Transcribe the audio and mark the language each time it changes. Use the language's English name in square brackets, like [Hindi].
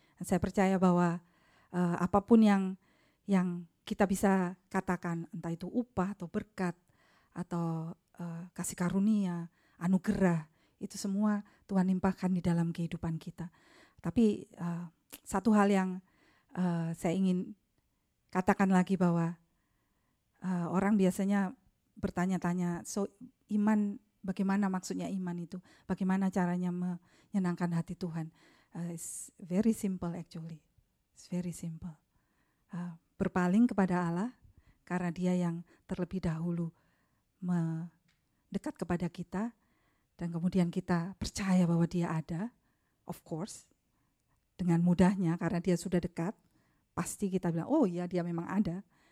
[Indonesian] Dan saya percaya bahwa apapun yang kita bisa katakan, entah itu upah atau berkat atau kasih karunia, anugerah, itu semua Tuhan limpahkan di dalam kehidupan kita. Tapi satu hal yang saya ingin katakan lagi bahwa orang biasanya bertanya-tanya, [English] so [Indonesian] iman, bagaimana maksudnya iman itu? Bagaimana caranya menyenangkan hati Tuhan? [English] It's very simple actually. It's very simple. [Indonesian] Berpaling kepada Allah karena Dia yang terlebih dahulu mendekat kepada kita dan kemudian kita percaya bahwa Dia ada, [English] of course. [Indonesian] Dengan mudahnya, karena Dia sudah dekat, pasti kita bilang, oh iya Dia memang ada.